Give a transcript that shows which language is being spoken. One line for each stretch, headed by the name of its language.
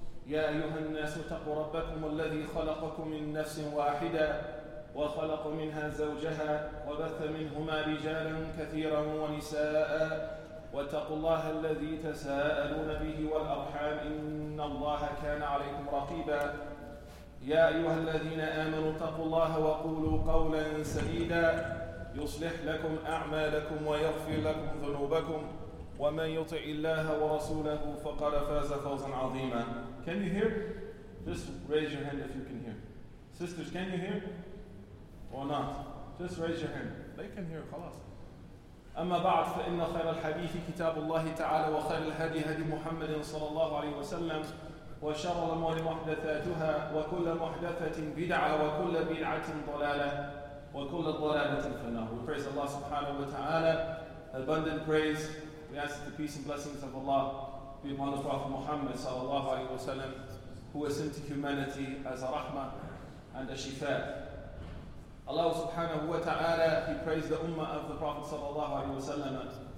Arabic: يا أيها الناس اتقوا ربكم الذي خلقكم من نفس واحدة وخلق منها زوجها وبث منهما رجالا كثيرا ونساء، واتقوا الله الذي تساءلون به والأرحام، إن الله كان عليكم رقيبا. يا أيها الذين آمنوا اتقوا الله وقولوا قولا سديدا يصلح لكم أعمالكم ويغفر لكم ذنوبكم، ومن يطع الله ورسوله فقد فاز فوزا عظيما.
English: Can you hear? Just raise your hand if you can hear. Sisters, can you hear? Or not? Just raise your hand. They can hear, خلاص.
Arabic: أما بعد، فإن خير الحديث كتاب الله تعالى، وخير الهدي هدي محمد صلى الله عليه وسلم، وشر الأمور محدثاتها، وكل محدثة بدعة، وكل بدعة ضلالة، وكل ضلالة في النار.
English: We praise Allah subhanahu wa ta'ala. Abundant praise. We ask the peace and blessings of Allah be upon the Prophet Muhammad sallallahu alayhi wa sallam, who was sent to humanity as a rahmah and a shifa. Allah subhanahu wa ta'ala, he praised the ummah of the Prophet sallallahu alayhi wa sallam.